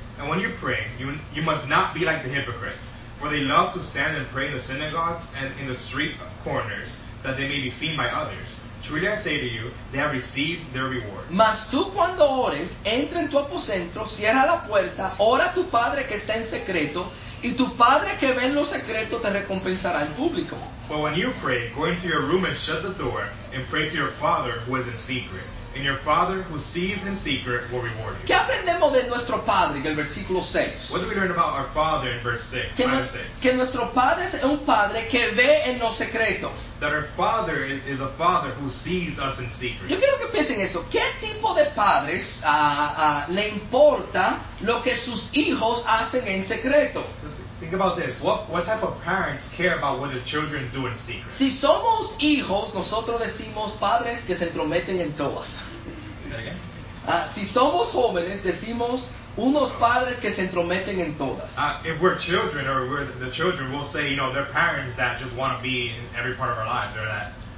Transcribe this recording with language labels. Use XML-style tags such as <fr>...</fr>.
<en>And when you pray, you must not be like the hypocrites. For they love to stand and pray in the synagogues and in the street corners, that they may be seen by others. Truly I say to you, they have received their reward.</en> <es>Mas tú cuando ores, entra en tu aposento, cierra la puerta, ora a tu padre que está en secreto, y tu padre que ve en lo secreto te recompensará en público.</es> <en>But when you pray, go into your room and shut the door, and pray to your father who is in secret. And your father who sees in secret will reward you.</en> <es>¿Qué aprendemos de nuestro padre en el versículo 6?</es> <en>What do we learn about our father in verse 6?</en> <es>Que nuestro padre es un padre que ve en lo secreto.</es> <en>That our father is a father who sees us in secret.</en> <es>Yo quiero que piensen esto. ¿Qué tipo de padres le importa lo que sus hijos hacen en secreto?</es> <en>Think about this. What type of parents care about what their children do in secret?</en> <es>Si somos hijos, nosotros decimos padres que se entrometen en todas. Si somos jóvenes, decimos unos padres que se entrometen en todas.</es> <en>If we're children or we're the children, we'll say, you know, they're parents that just want to be in every part of our lives. They're that.</en>